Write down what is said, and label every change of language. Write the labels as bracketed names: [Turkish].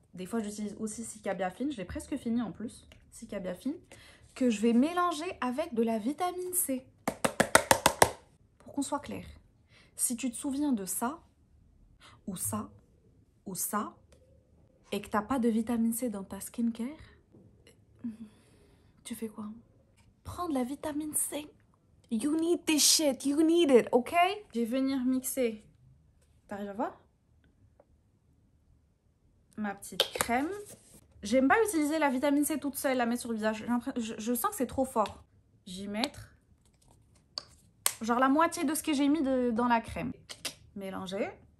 [French] Des fois, j'utilise aussi Cicabia Fine, je l'ai presque fini en plus, Cicabia Fine, que je vais mélanger avec de la vitamine C. Pour qu'on soit clair, si tu te souviens de ça, ou ça, ou ça, et que t'as pas de vitamine C dans ta skincare, tu fais quoi? Prends de la vitamine C. [English] You need this shit, you need it, ok? [French] Je vais venir mixer, t'arrives à voir? Ma petite crème. J'aime pas utiliser la vitamine C toute seule, la mettre sur le visage. Je sens que c'est trop fort. J'y mettre genre la moitié de ce que j'ai mis dans la crème. Mélanger.